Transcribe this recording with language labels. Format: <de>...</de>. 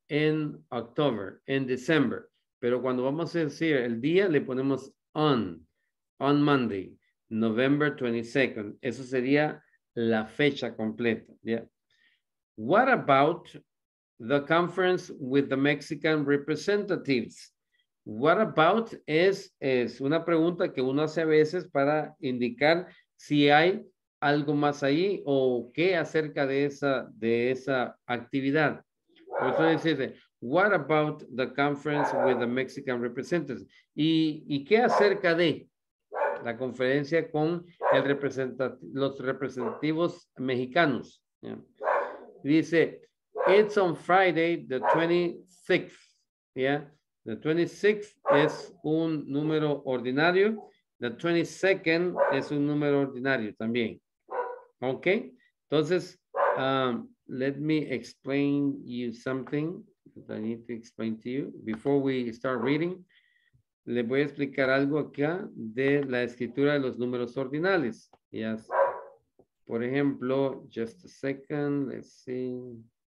<en>In October, in December.</en> <es>Pero cuando vamos a decir el día, le ponemos</es> <en>on Monday, November 22nd.</en> <es>Eso sería la fecha completa. Yeah.</es> <en>What about the conference with the Mexican representatives?</en> <es>What about es una pregunta que uno hace a veces para indicar si hay algo más ahí o qué acerca de esa actividad.</es> <en>What about the conference with the Mexican representatives?</en> <es>¿Y qué acerca de la conferencia con los representativos mexicanos?</es> <en>Yeah. Dice, it's on Friday the 26th. Yeah.</en> <es>The 26th es un número ordinario. The 22nd es un número ordinario también. Ok.</es> <en>Entonces, let me explain you something that I need to explain to you before we start reading.</en> <es>Le voy a explicar algo acá de la escritura de los números ordinales.</es> <en>Yes.</en> <es>Por ejemplo,</es> <en>just a second. Let's see.</en>